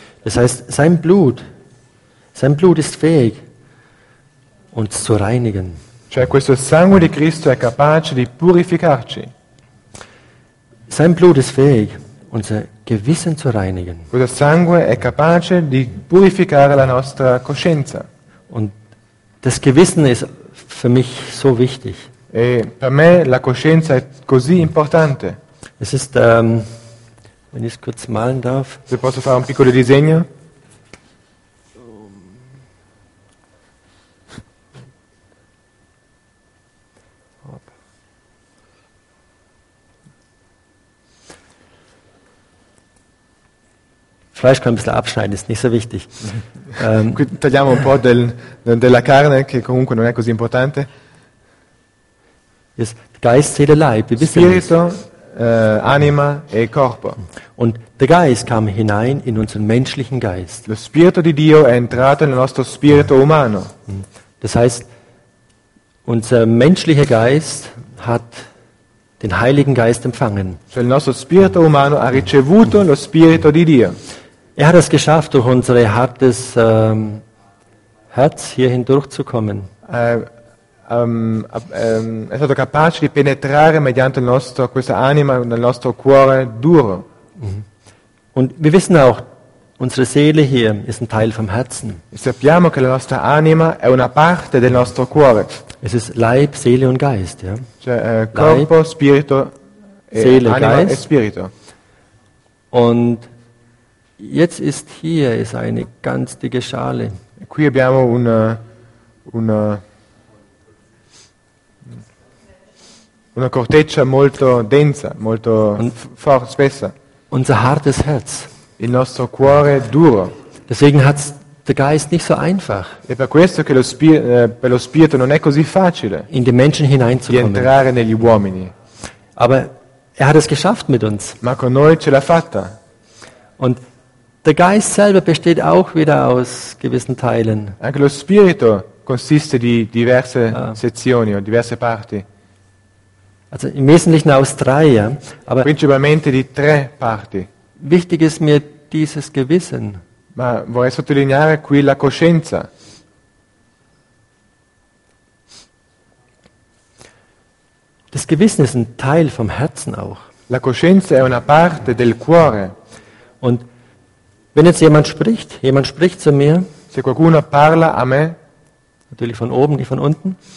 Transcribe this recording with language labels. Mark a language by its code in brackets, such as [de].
[de] Das heißt, sein Blut ist fähig, uns zu reinigen. [it] Cioè questo sangue di Cristo è capace di purificarci. [de] Sein Blut ist fähig, unser Gewissen zu reinigen. [it] Questo sangue è capace di purificare la nostra coscienza. [de] Und das Gewissen ist für mich so wichtig. [it] E per me la coscienza è così importante. [de] Es ist, wenn ich es kurz malen darf. [it] Se posso fare un piccolo disegno. [de] Fleisch kann ein bisschen abschneiden, ist nicht so wichtig. [it] Tagliamo un po' della carne, che comunque non è così importante. [de] Geist, Seele, Leib. Wir wissen [it] Spirito, Anima e Corpo. [de] Und der Geist kam hinein in unseren menschlichen Geist. [it] Lo Spirito di Dio è entrato nel nostro spirito umano. [de] Das heißt, unser menschlicher Geist hat den Heiligen Geist empfangen. [it] Cioè il nostro spirito umano ha ricevuto lo Spirito di Dio. [de] Er hat es geschafft, durch unser hartes Herz hier hindurchzukommen. [it] È stato capace di penetrare mediante il nostro questa anima nel nostro cuore duro. [de] Und wir wissen auch, unsere Seele hier ist ein Teil vom Herzen. [it] Sappiamo che la nostra anima è una parte del nostro cuore. [de] Es ist Leib, Seele und Geist, ja. [it] Cioè, corpo, Leib, spirito, [de] Seele, anima Geist. [it] E spirito. [de] Und jetzt ist hier ist eine ganz dicke Schale. [it] Qui abbiamo una corteccia molto densa, molto spessa. [de] Unser hartes Herz. [it] Il nostro cuore duro. [de] Deswegen hat der Geist nicht so einfach. [it] E per questo che lo spirito non è così facile. [de] In die Menschen hineinzukommen. [it] Di entrare negli uomini. [de] Aber er hat es geschafft mit uns. [it] Ma con noi ce l'ha fatta. [de] Und der Geist selber besteht auch wieder aus gewissen Teilen. [it] Anche lo spirito consiste di diverse sezioni o diverse parti. [de] Also im Wesentlichen aus drei, ja. [it] Aber principalmente di tre parti. [de] Wichtig ist mir dieses Gewissen. [it] Ma vorrei sottolineare qui la coscienza. [de] Das Gewissen ist ein Teil vom Herzen auch. [it] La coscienza è una parte del cuore. [de] Und wenn jetzt jemand spricht zu mir. [it] Se qualcuno parla a me. [de] Natürlich von oben, nicht von unten.